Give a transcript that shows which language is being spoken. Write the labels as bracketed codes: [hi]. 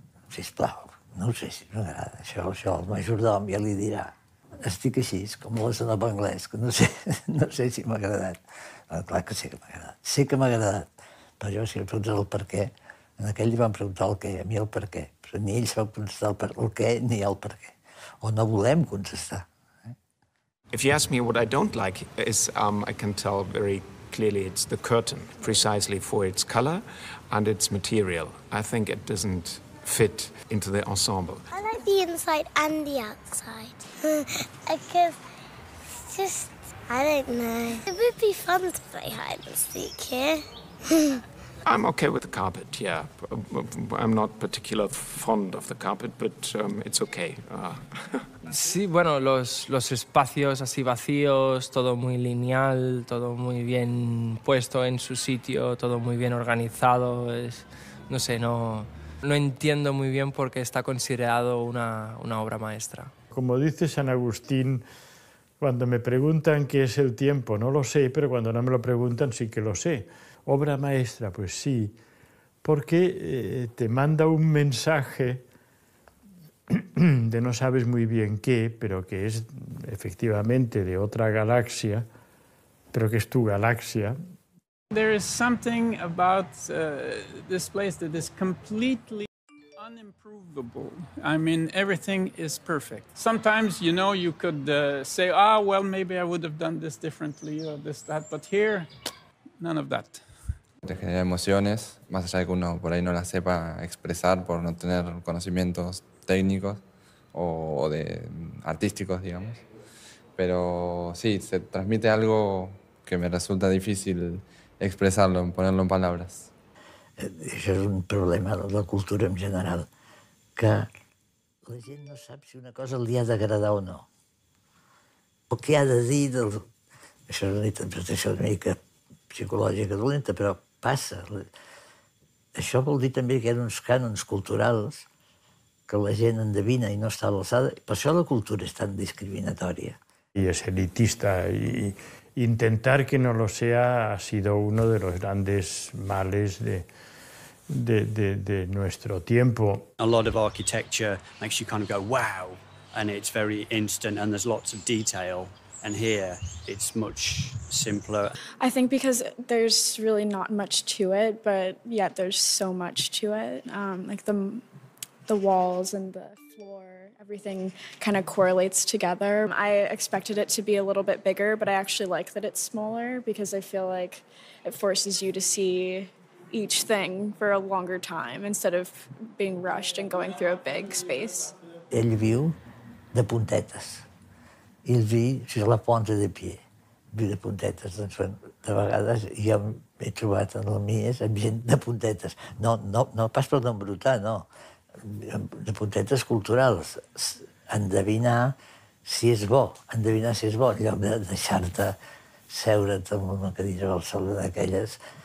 [ca] Sisplau, no ho sé si m'agrada. Això el majordom ja li dirà. Estic així, com l'esnob anglès, que no sé si m'ha agradat. Clar que sé que m'ha agradat. Sé que m'ha agradat. Però jo, si em preguntes el per què, en aquell li van preguntar el què, a mi el per què. Però ni ell sap contestar el què ni el per què. O no volem contestar. [en] If you ask me what I don't like is, I can tell very clearly it's the curtain, precisely for its color and its material. I think it doesn't fit into the ensemble. I like the inside and the outside. Because it's just, I don't know. It would be fun to play hide and seek here. I'm okay with the carpet, yeah. I'm not particularly fond of the carpet, but it's okay. [es] Sí, bueno, los espacios así vacíos, todo muy lineal, todo muy bien puesto en su sitio, todo muy bien organizado. Es, no sé, no entiendo muy bien por qué está considerado una obra maestra. Como dice San Agustín, cuando me preguntan qué es el tiempo, no lo sé, pero cuando no me lo preguntan sí que lo sé. Obra maestra, pues sí, porque te manda un mensaje de no sabes muy bien qué, pero que es efectivamente de otra galaxia, pero que es tu galaxia. [en] There is something about this place that is completely unimprovable. I mean, everything is perfect. Sometimes, you know, you could say, ah, well, maybe I would have done this differently or this, that, but here, none of that. [es] Te genera emociones, más allá de que uno por ahí no las sepa expresar por no tener conocimientos técnicos o de artísticos, digamos. Pero sí, se transmite algo que me resulta difícil expresarlo, ponerlo en palabras. [ca] Això és un problema de la cultura en general, que la gent no sap si una cosa li ha d'agradar o no. O què ha de dir del... Això és una interpretació una mica psicològica dolenta, però passa. Això vol dir també que hi ha uns cànons culturals que la gent endevina i no està a l'alçada. Per això la cultura és tan discriminatòria. I és elitista. I intentar [es] que no lo sea ha sido uno de los grandes males de nuestro tiempo. [en] A lot of architecture makes you kind of go, wow, and it's very instant and there's lots of detail. And here, it's much simpler. I think because there's really not much to it, but yet there's so much to it. Like the walls and the floor, everything kind of correlates together. I expected it to be a little bit bigger, but I actually like that it's smaller because I feel like it forces you to see each thing for a longer time instead of being rushed and going through a big space. [ca] Ell viu de puntetes. I el vi, si és la ponta de pie, vi de puntetes, doncs de vegades jo m'he trobat en el Mies amb gent de puntetes. No pas per d'embrutar, no. De puntetes culturals. Endevinar si és bo, endevinar si és bo, en lloc de deixar-te seure't amb una cadira al sol d'aquelles.